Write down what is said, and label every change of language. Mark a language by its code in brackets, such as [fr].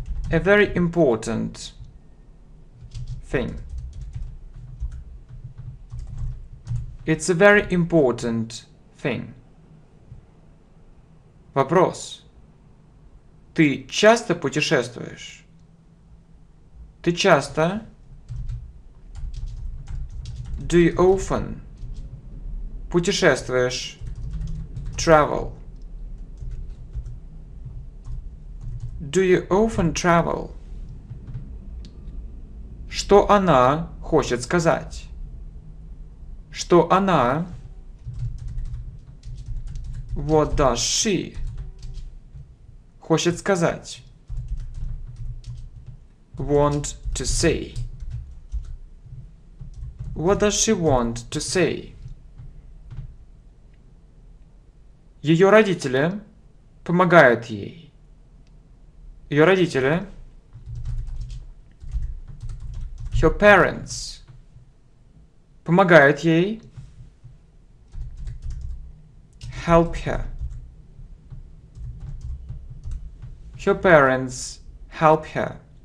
[en] A very important thing. It's a very important thing. [ru] Вопрос. Ты часто путешествуешь? Ты часто? [en] Do you often? [ru] Путешествуешь? [en] Travel. Do you often travel? [ru] Что она хочет сказать? Что она? [en] What does she [ru] хочет сказать? [en] Want to say. What does she want to say? [ru] Ее родители помогают ей. Ее родители. [en] Her parents [ru] помогают ей. [en] Help her. Her parents help her.